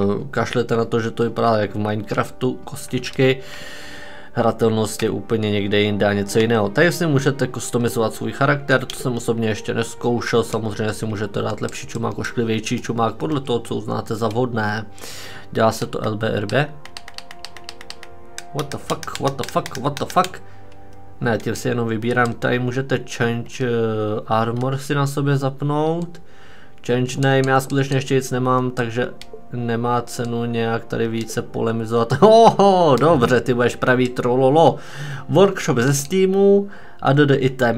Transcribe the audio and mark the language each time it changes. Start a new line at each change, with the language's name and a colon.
Czech: Kašlete na to, že to vypadá jak v Minecraftu, kostičky. Hratelnost je úplně někde jinde a něco jiného. Tady si můžete customizovat svůj charakter, to jsem osobně ještě neskoušel. Samozřejmě si můžete dát lepší čumák, ošklivější čumák, podle toho, co uznáte za vhodné. Dělá se to LBRB.
English: What the fuck, what the fuck, what the fuck?
Czech: Ne, tím si jenom vybírám, tady můžete
English: change armor
Czech: si na sobě zapnout.
English: Change name,
Czech: já skutečně ještě nic nemám, takže nemá cenu nějak tady více polemizovat. Oho, dobře, ty budeš pravý Trollolo. Workshop ze Steamu a dodej item.